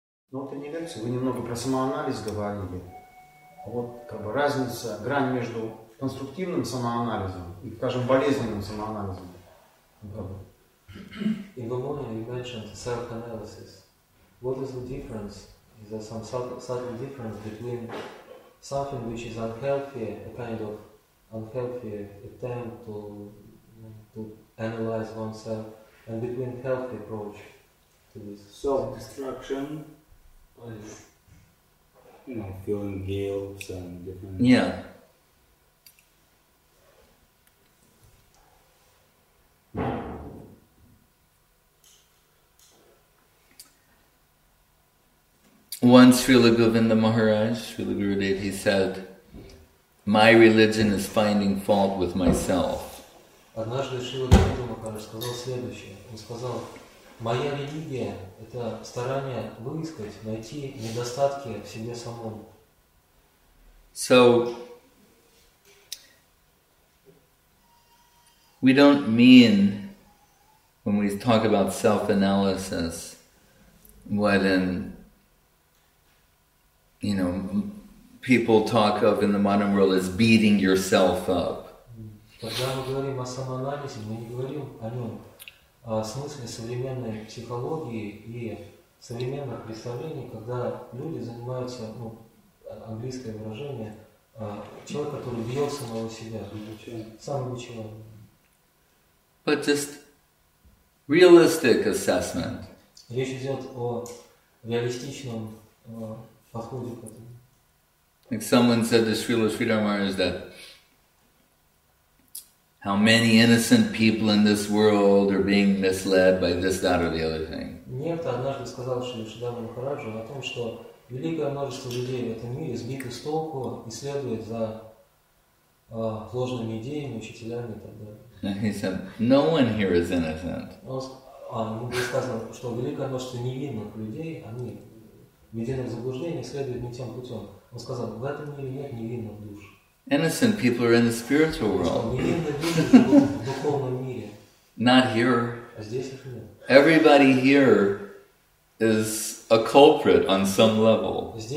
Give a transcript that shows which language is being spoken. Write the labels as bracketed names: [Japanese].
[Russian] Ну, это не лекция, вы немного про самоанализ говорили. Вот как бы разница, грань между конструктивным самоанализом и, скажем, болезненным самоанализом. И в Ломоне вы упомянули self-analysis. [English] What is the difference? Is there some subtle difference between something which is unhealthy, a kind of unhealthy attempt to analyze oneself, and between healthy approach to this? Self-destruction. You know, feeling guilt and different. Yeah. Once Srila Govinda Maharaj, Srila Gurudev, he said, "My religion is finding fault with myself." [Russian] Однажды Шрила Говинда Махарадж сказал следующее. Он сказал: моя религия – это старание выискать, найти недостатки в себе самом. [English] So, we don't mean, when we talk about self-analysis, what in, you know, people talk of in the modern world as beating yourself up. [Russian] Когда мы говорим о самоанализе, мы не говорим о нем. В смысле современной психологии и современных представлений, когда люди занимаются, ну, английское выражение, человек, который бьет самого себя, самого человека. [English] But just realistic assessment. [Russian] Речь идет о реалистичном подходе к этому. [English] Like someone said to Srila Sridhar Maharaj that how many innocent people in this world are being misled by this, that, or the other thing? [Russian] Некто однажды сказал Шридхару Махараджу о том, что великое множество людей в этом мире сбиты с толку и следуют за ложными идеями, учителями и так далее. [English] He said, "No one here is innocent." [Russian] Ему было сказано, что великое множество невинных людей, они введены в заблуждение, следуют не тем путем. Он сказал, в этом мире нет невинных душ. [English] Innocent people are in the spiritual world. Not here. Everybody here is a culprit on some level.